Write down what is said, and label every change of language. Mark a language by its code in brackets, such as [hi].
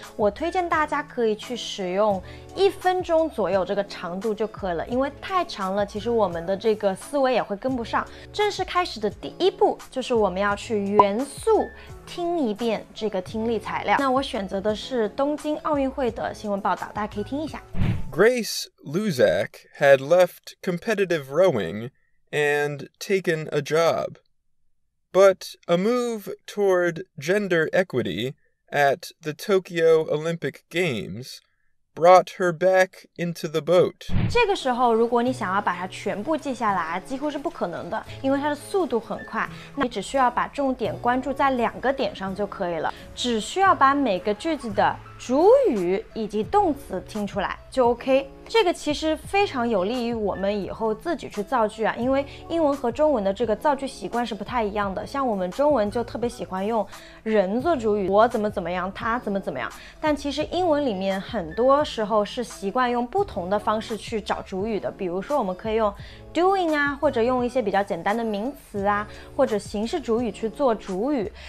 [zh] 我推荐大家可以去使用一分钟左右这个长度就可以了，因为太长了，其实我们的这个思维也会跟不上。正式开始的第一步就是我们要去元素听一遍这个听力材料。那我选择的是东京奥运会的新闻报道，大家可以听一下。 [en] Grace Luzak had left competitive rowing and taken a job. But a move toward gender equity at the Tokyo Olympic Games brought her back into the boat. [zh] 这个时候如果你想要把它全部记下来几乎是不可能的，因为它的速度很快，那你只需要把重点关注在两个点上就可以了，只需要把每个句子的主语以及动词听出来就 OK。这个其实非常有利于我们以后自己去造句啊，因为英文和中文的这个造句习惯是不太一样的，像我们中文就特别喜欢用人做主语，我怎么怎么样，他怎么怎么样，但其实英文里面很多时候是习惯用不同的方式去找主语的，比如说我们可以用doing 啊，或者用一些比较简单的名词啊，或者形式主语去做主语。